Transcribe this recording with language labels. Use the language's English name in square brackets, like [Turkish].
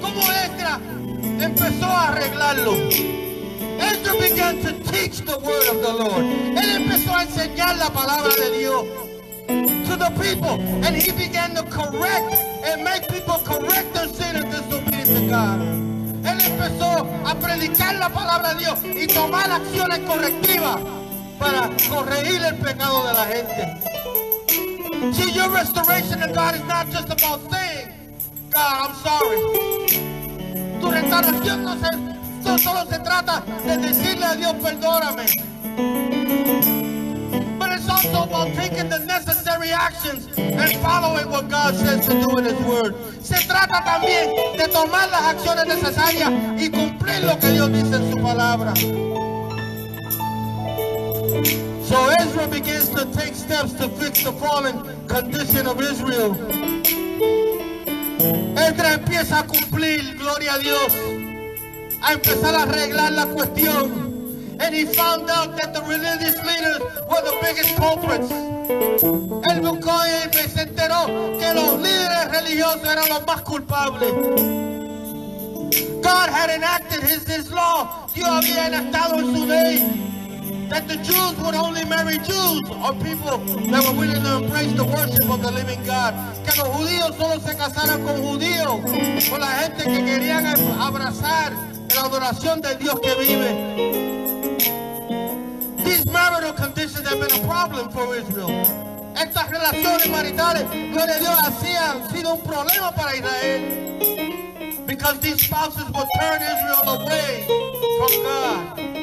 [Spanish] Como Ezra empezó a arreglarlo. [English] Ezra began to teach the word of the Lord. [Spanish] Él empezó a enseñar la palabra de Dios [English] to the people. And he began to correct and make people correct their sin and disobedience to God. [Spanish] Él empezó a predicar la palabra de Dios y tomar acciones correctivas para corregir el pecado de la gente. [English] See, your restoration to God is not just about saying, God, I'm sorry. [Spanish] Tu restauración no se, solo se trata de decirle a Dios, perdóname. [English] But it's also about taking the necessary actions and following what God says to do in His Word. [Spanish] Se trata también de tomar las acciones necesarias y cumplir lo que Dios dice en su palabra. [English] So Ezra begins to take steps to fix the fallen condition of Israel. [Spanish] Ezra empieza a cumplir, gloria a Dios, a empezar a arreglar la cuestión. [English] And he found out that the religious leaders were the biggest culprits. [Spanish] Él buscó y se enteró que los líderes religiosos eran los más culpables. [English] God had enacted his law. [Spanish] Dios había enactado en su ley [English] that the Jews would only marry Jews, or people that were willing to embrace the worship of the living God. [Spanish] Que los judíos solo se casaran con judíos, con la gente que querían abrazar la adoración del Dios que vive. [English] These marital conditions have been a problem for Israel. [Spanish] Estas relaciones maritales, gloria a Dios, hacían sido un problema para Israel. [English] Because these spouses would turn Israel away from God.